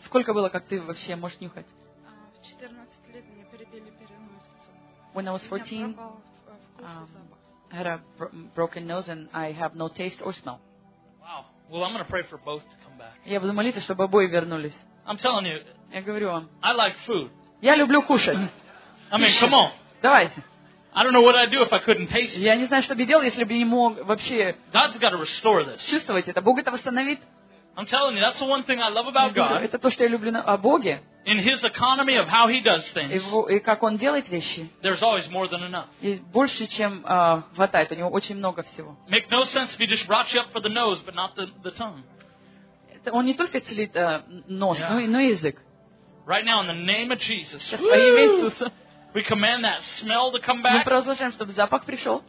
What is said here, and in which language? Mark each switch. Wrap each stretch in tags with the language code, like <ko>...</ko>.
<ru>Сколько было, как ты вообще можешь нюхать? 14 лет меня перебили переносицу.</ru> <en>When I was 14, I had a broken nose and I have no taste or smell. Wow. Well, I'm going to pray for both to come back.</en> <ru>Я буду молиться, чтобы обои вернулись.</ru> <en>I'm telling you.</en> <ru>Я говорю вам.</ru> <en>I like food.</en> <ru>Я люблю кушать.</ru> <en>I mean, come on.</en> <ru>Давайте.</ru> <en>I don't know what I'd do if I couldn't taste.</en> <ru>Я не знаю, что бы делал, если бы не мог вообще.</ru> <en>God's got to restore this.</en> <ru>Чувствовать это. Бог это восстановит.</ru> <en>I'm telling you, that's the one thing I love about God.</en> <ru>Это то, что я люблю о Боге.</ru> <en>In His economy of how He does things.</en> <ru>И как Он делает вещи.</ru> <en>There's always more than enough.</en> <ru>Есть больше, чем хватает. У него очень много всего.</ru> <en>Make no sense if He just brought you up for the nose, but not the tongue.</en> <ru>Он не только целит нос, но и язык.</ru> <en>Right now, in the name of Jesus.</en> <ru>Во имя Иисуса.</ru> <en>We command that smell to come back.</en> <ru>Мы провозглашаем, чтобы запах пришел.</ru>